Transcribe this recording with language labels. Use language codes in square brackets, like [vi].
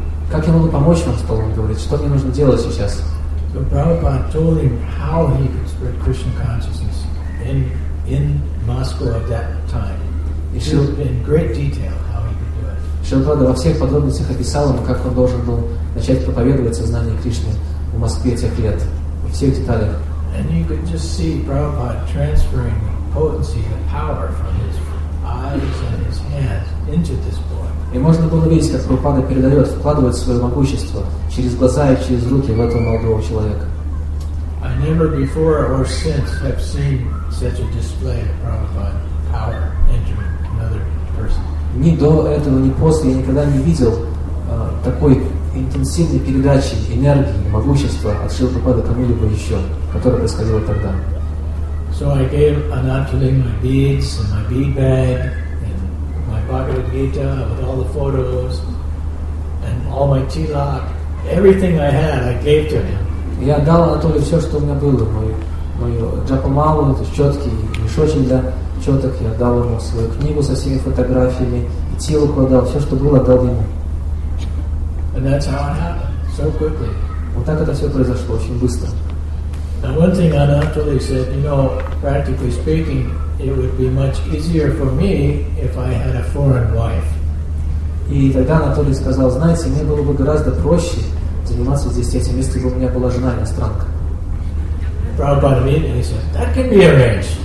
[ru] Как я могу помочь вам, стал он говорить, что мне нужно делать сейчас? [en] So Prabhupada told him how he could spread Krishna consciousness in Moscow at that time. In great detail how he could do it. [ru] Шрила Прабхупада во всех подробностях описал ему, как он должен был начать проповедовать сознание Кришны в Москве тех лет. Во всех деталях. [en] And you could just see Prabhupada transferring the potency, the power from his eyes and his hands into this boy. [ru] И можно было видеть, как Прабхупада передает, вкладывает свое могущество через глаза и через руки в этого молодого человека. [en] I never before or since have seen such a display of Prabhupada's power entering another person. [ru] Ни до этого, ни после я никогда не видел такой интенсивной передачи энергии, могущества от Шрилы Прабхупады кому-либо еще, которое происходило тогда. [en] So I gave Anantaling my beads and my bead bag and my Bhagavad Gita with all the photos and all my tilak, everything I had, I gave to him. [ru] Я отдал Анатолию все, что у меня было, мою джапамалу, то есть четки, мешочек для четок, я отдал ему свою книгу со всеми фотографиями, и тело кладал, все, что было, отдал ему. [en] And that's how it happened, so quickly. [ru] Вот так это все произошло, очень быстро. [en] And one thing Anatoly said, you know, practically speaking, it would be much easier for me if I had a foreign wife. [ru] И тогда Анатолий сказал, знаете, мне было бы гораздо проще заниматься здесь этим, если бы у меня была жена иностранка. [en] Prabhupada immediately said, that can be arranged.